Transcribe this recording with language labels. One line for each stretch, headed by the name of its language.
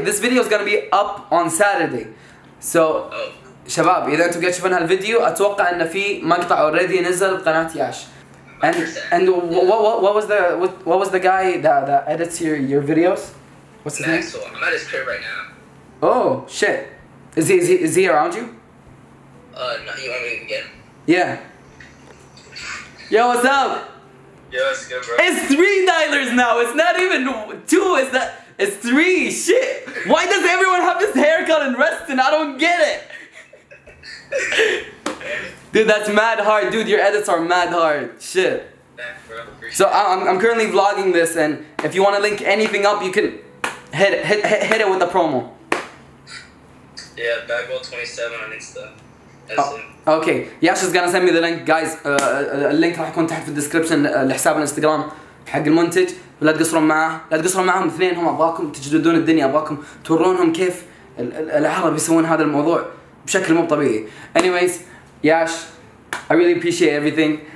English: This video is gonna be up on Saturday.
Arabic: So, شباب إذا أنتوا قاعد تشوفون هالفيديو أتوقع إن في مقطع already نزل بقناة ياش.
English: And what was the guy that edits your videos? What's his name? Maxwell. I'm at his crib right now. Oh shit! Is he around you? No. You want me to get him? Yeah. Yo, what's up? Yo, what's good, bro? It's three dialers now. It's not even two. Is that? It's three, shit! Why does everyone have this haircut in Reston? I don't get it! Dude, that's mad hard. Dude, your edits are mad hard. Shit. Thanks, bro. Appreciate it. So, I'm currently vlogging this, and if you want to link anything up, you can hit it with the promo. Yeah, bagwell27 on Insta. Okay, Yash is gonna send me the link.
Arabic: Guys, link راح يكون تحت في الديسكريبشن لحساب الانستغرام حق المنتج. لا تقصرون معاه، لا تقصرون معهم اثنين هم ابغاكم تجددون الدنيا، ابغاكم تورونهم كيف العرب يسوون هذا الموضوع بشكل مو طبيعي.
English: Anyways, Yash, I really appreciate everything.